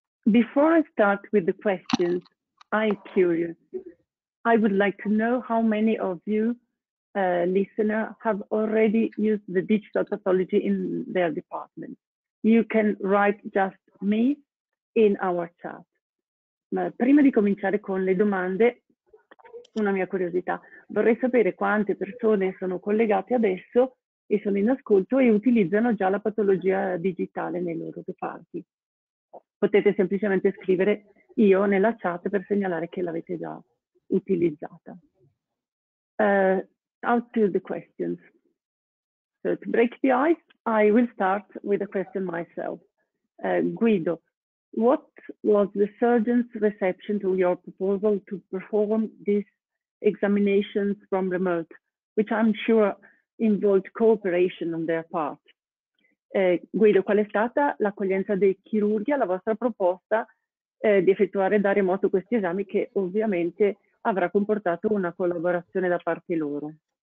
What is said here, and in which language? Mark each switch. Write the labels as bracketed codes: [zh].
[en] Before I start with the questions, I'm curious. I would like to know how many of you listener have already used the digital pathology in their department. You can write just me in our chat. [it] Ma prima di cominciare con le domande, una mia curiosità. Vorrei sapere quante persone sono collegate adesso e sono in ascolto e utilizzano già la patologia digitale nei loro reparti. Potete semplicemente scrivere io nella chat per segnalare che l'avete già utilizzata. [en] Out to the questions. So to break the ice, I will start with a question myself. Guido, what was the surgeon's reception to your proposal to perform these examinations from remote, which I'm sure involved cooperation on their part? [it] Guido, qual è stata l'accoglienza dei chirurghi alla vostra proposta di effettuare da remoto questi esami, che ovviamente avrà comportato una collaborazione da parte loro?